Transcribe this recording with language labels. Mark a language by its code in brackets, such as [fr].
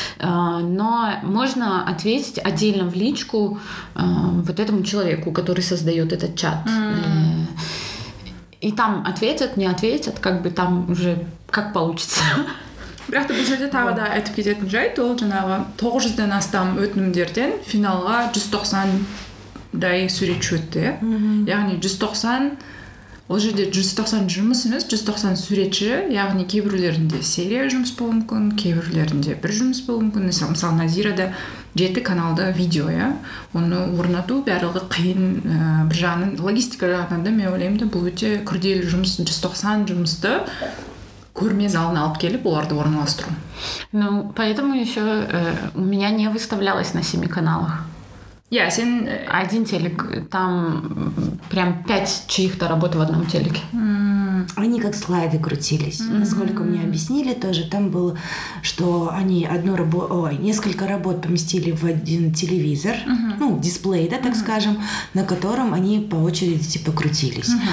[ru] Но можно ответить отдельно в личку вот этому человеку, который создает этот чат. И там ответят, не ответят, как бы там уже как получится. [kk] Бірақ бұл жерде тағы да айтып кететін жайт, ол жаңағы 900-ден астам өтінімдерден финалға 190-дай суретші өтті. Яғни 190, ол жерде 190 жұмыс емес, 190 суретші, яғни кейбіреулерінде серия жұмыс болуы мүмкін, кейбіреулерінде бір жұмыс болуы мүмкін. Мысалы, Назирада 7 каналды видео, иә, оны орнату барлығы қиын. Бір жағынан логистика жағынан да мен ойлаймын, да бұл өте күрделі жұмыс, 190 жұмысты көрме залына алып келіп, оларды орналастыру. [ru] Ну, поэтому еще у меня не выставлялось на 7 каналах. Я, сен... Один телек, там прям 5 чьих-то работ в одном телеке. Они как слайды крутились. Насколько мне объяснили тоже, там было, что они несколько работ поместили в один телевизор, ну, дисплей, да, так скажем, на котором они по очереди типа крутились.